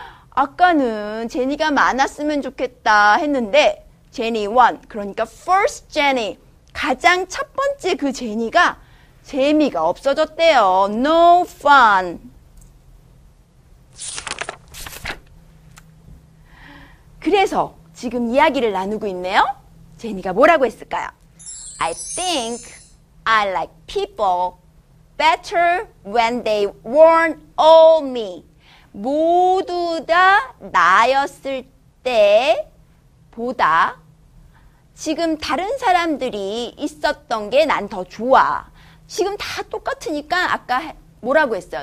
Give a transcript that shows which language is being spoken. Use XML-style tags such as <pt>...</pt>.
<ko>아까는 제니가 많았으면 좋겠다 했는데 제니 1, 그러니까 first 제니, 가장 첫 번째 그 제니가 재미가 없어졌대요.</ko> <en>No fun.</en> <ko>그래서 지금 이야기를 나누고 있네요. 제니가 뭐라고 했을까요?</ko> <en>I think I like people better when they weren't all me.</en> <ko>모두 다 나였을 때보다 지금 다른 사람들이 있었던 게 난 더 좋아. 지금 다 똑같으니까 아까 뭐라고 했어요?</ko>